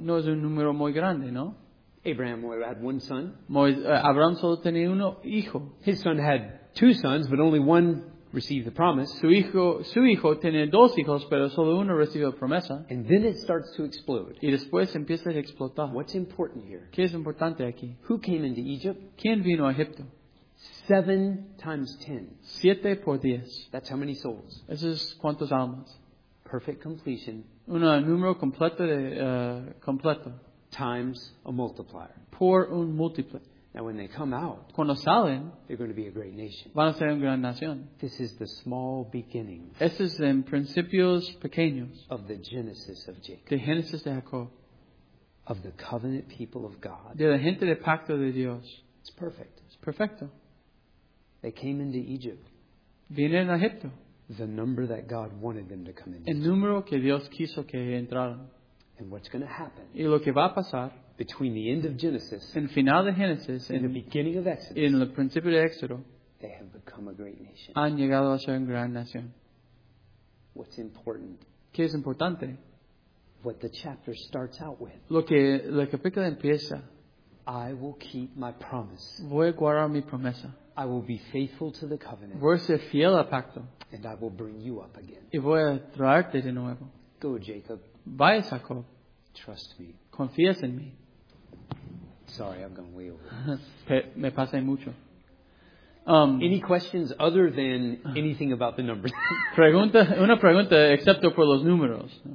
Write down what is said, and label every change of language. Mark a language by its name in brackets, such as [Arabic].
[Spanish] No es un número muy grande, ¿no? [English] Abraham had one son. [Spanish] Abraham solo tenía uno hijo. [English] His son had two sons, but only one received the promise. [Spanish] Su hijo tiene dos hijos, pero solo uno recibió la promesa. [English] And then it starts to explode. [Spanish] Y después empieza a explotar. [English] What's important here? [Spanish] ¿Qué es importante aquí? [English] Who came into Egypt? [Spanish] ¿Quién vino a Egipto? [English] 7 times 10. [Spanish] 7 por 10. [English] That's how many souls. [Spanish] Eso es cuántos almas. [English] Perfect completion. [Spanish] Un número completo de completo. [English] Times a multiplier. [Spanish] Por un múltiple. [English] Now when they come out, [Spanish] cuando salen, [English] they're going to be a great nation. [Spanish] Van a ser una gran nación. [English] This is the small beginning. [Spanish] Este es en principios pequeños. [English] Of the Genesis of Jacob. [Spanish] De Génesis de Jacob. [English] Of the covenant people of God. [Spanish] De la gente del pacto de Dios. [English] It's perfect. [Spanish] Es perfecto. [English] They came into Egypt. [Spanish] Vienen a Egipto. [English] The number that God wanted them to come into. [Spanish] El número que Dios quiso que entraran. [English] And what's going to happen? [Spanish] Y lo que va a pasar. [English] Between the end of Genesis, [Spanish] en final de Genesis, [English] in the beginning of Exodus, [Spanish] en el principio de Éxodo, [English] they have become a great nation. [Spanish] Han llegado a ser una gran nación. [English] What's important? [Spanish] ¿Qué es importante? [English] What the chapter starts out with. [Spanish] Lo que el capítulo empieza. [English] I will keep my promise. [Spanish] Voy a guardar mi promesa. [English] I will be faithful to the covenant. [Spanish] Voy a ser fiel al pacto. [English] And I will bring you up again. [Spanish] Y voy a traerte de nuevo. [English] Go, Jacob. [Spanish] Vaya, Jacob. [English] Trust me. [Spanish] Confía en mí. [English] Sorry, I've gone way over. [Spanish] Me pasé mucho. [English] Any questions other than anything about the numbers? [Spanish] una pregunta, excepto por los números.